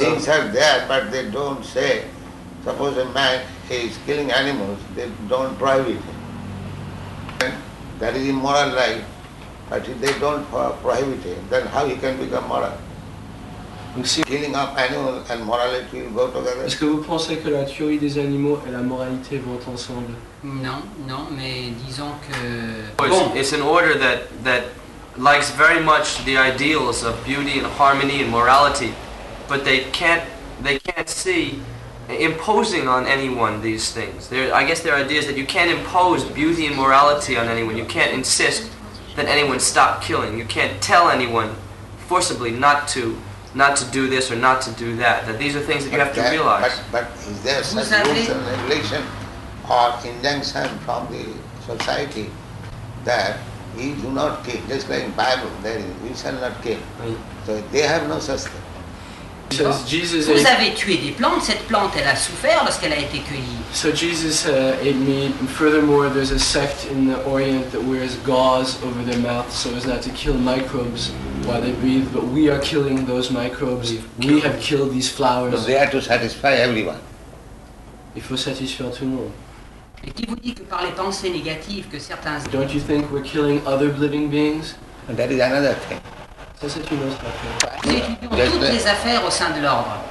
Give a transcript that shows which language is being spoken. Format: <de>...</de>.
<en>These things are there, but they don't say, suppose a man is killing animals, they don't prohibit it. That is immoral life. But if they don't prohibit him, then how he can become moral? Killing of animals and morality will go together.</en> <fr>Est-ce que vous pensez que la tuerie des animaux et la moralité vont ensemble? Non, mais disons que.</fr> <en>It's an order that likes very much the ideals of beauty and harmony and morality, but they can't see imposing on anyone these things. Their idea is that you can't impose beauty and morality on anyone. You can't insist that anyone stop killing. You can't tell anyone forcibly not to do this or not to do that. That these are things that you have to realize. But is there such rules and regulation or injunction from the society that we do not kill? Just like in the Bible, there is, we shall not kill. So they have no such thing.</en> <fr>Vous avez tué des plantes, cette plante elle a souffert lorsqu'elle a été cueillie.</fr> <en>So Jesus ate meat, and furthermore there's a sect in the Orient that wears gauze over their mouth so as not to kill microbes while they breathe, but we are killing those microbes, we have killed these flowers. So they are to satisfy everyone.</en> <fr>Il faut satisfaire tout le monde. Et qui vous dit que par les pensées négatives que certains...</fr> <en>Don't you think we're killing other living beings? And that is another thing.</en> <fr>Nous étudions toutes les affaires au sein de l'ordre.</fr>